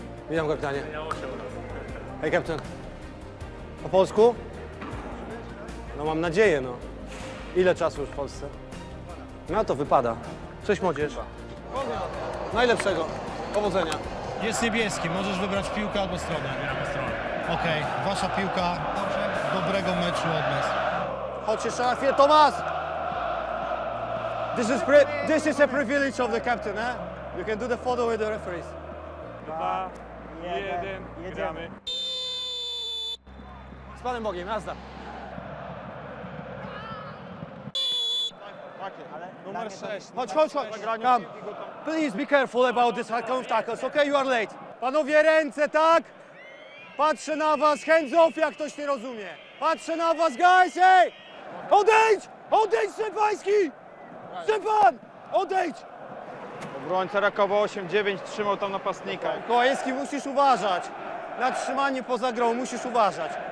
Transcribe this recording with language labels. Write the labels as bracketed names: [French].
[Polish] Witam, kapitanie. Hej, kapitan. Po polsku? No mam nadzieję, no. Ile czasu już w Polsce? No to wypada. Cześć, młodzież. Najlepszego. Powodzenia. Jest niebieski. Możesz wybrać piłkę albo stronę. Albo stronę. Okej. Okay. Wasza piłka. Dobrze. Dobrego meczu od nas. Chodź jeszcze na chwilę, Tomas! [English] This is a privilege of the captain, eh? You can do the photo with the referees. [Polish] Dwa, jeden, gramy. Z Panem Bogiem, jazda. Numer 6. Chodź. [English] Come. Please be careful about this hard-count tackles. Okay, you are late. [Polish] Panowie, ręce, tak? Patrzę na was, [English] hands off, [Polish] jak ktoś nie rozumie. Patrzę na was, [English] guys, hey! [Polish] Odejdź! Odejdź, Szczepański! Szczepan! Odejdź! Obrońca rakował 8-9, trzymał tam napastnika. Kołajewski, musisz uważać. Na trzymanie poza grą, musisz uważać.